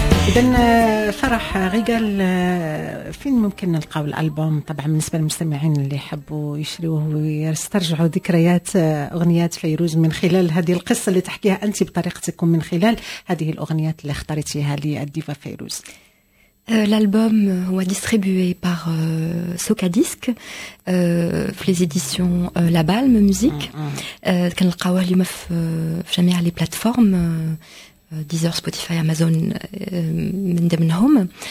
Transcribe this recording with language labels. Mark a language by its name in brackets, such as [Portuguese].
[Arabic] إذن فرح غيغال فين ممكن نلقاو الألبوم طبعا بالنسبة للمستمعين اللي يحبوا يشريوه ويسترجعوا ذكريات أغنيات فيروز من خلال هذه القصة اللي تحكيها أنت بطريقتك ومن خلال هذه الأغنيات اللي اخترتيها للديفا فيروز؟ [French] L'album est distribué par Soka Disc في les éditions La Balme Musique. [Arabic] كان نلقاوه اليوم في جميع لي بلاتفورم ديزر سبوتيفاي امازون من ضمنهم.